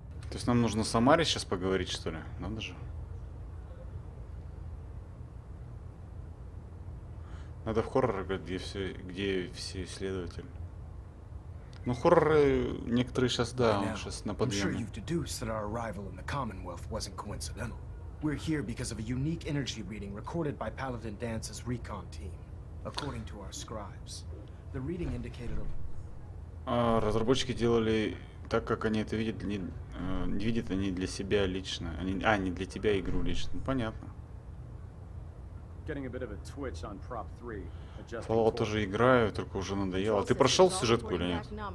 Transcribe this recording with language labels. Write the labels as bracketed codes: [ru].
[ru] То есть нам нужно с Амари сейчас поговорить, что ли? Надо же. Надо в хоррор играть, где все исследователи. Ну, хорроры некоторые сейчас, да, он сейчас на подъеме. [en] I'm sure you've deduced that our arrival in the Commonwealth wasn't coincidental. We're here because of a unique energy reading recorded by Paladin Dance's recon team. According to our scribes, the reading indicated a... [ru] Разработчики делали так, как они это видят, не видят они для себя лично, не для тебя игру лично. Понятно. [en] Getting a bit of a twitch on Prop 3. [ru] Пола тоже играю, только уже надоело. Ты прошел сюжетку или нет?